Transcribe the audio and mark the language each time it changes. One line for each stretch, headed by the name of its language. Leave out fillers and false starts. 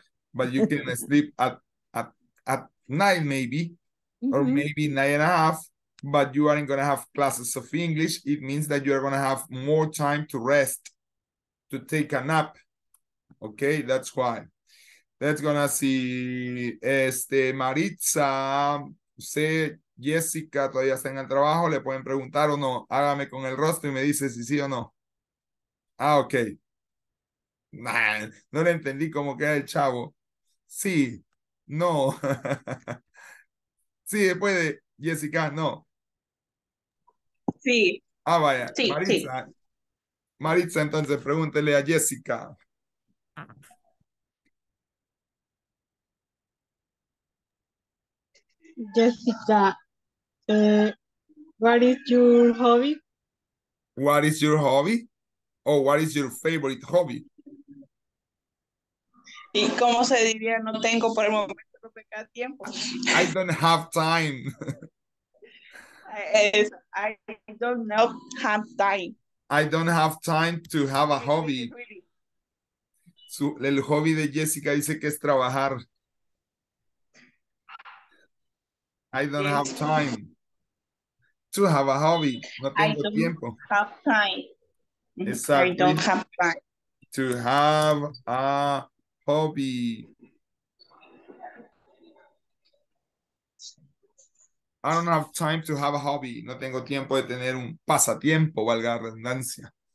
English: But you can sleep at night maybe, or maybe 9:30, but you aren't going to have classes of English. It means that you are going to have more time to rest, to take a nap. Okay, that's why. Let's gonna see
Spanish: Maritza, say, Jessica, todavía está en el trabajo, le pueden preguntar o no. Hágame con el rostro y me dice si sí o no. Ah, ok. Nah, no le entendí cómo queda el chavo. Sí, no. Sí, después de Jessica, no. Sí. Ah, vaya. Sí, Maritza. Sí. Maritza, entonces pregúntele a Jessica.
English: Jessica. What is your hobby? What is your hobby? Or what is your favorite hobby?
Spanish: ¿Y cómo se diría? No tengo por el momento, no me queda tiempo.
English: I don't have time. I don't know, have time. I don't have time to have a hobby. Really.
Spanish: El hobby de Jessica dice que es trabajar.
English: I don't have time to have a hobby.
Spanish: No tengo tiempo.
English: Exactly. I don't have time to have a hobby. I don't have time to have a hobby.
Spanish: No tengo tiempo de tener un pasatiempo, valga la redundancia.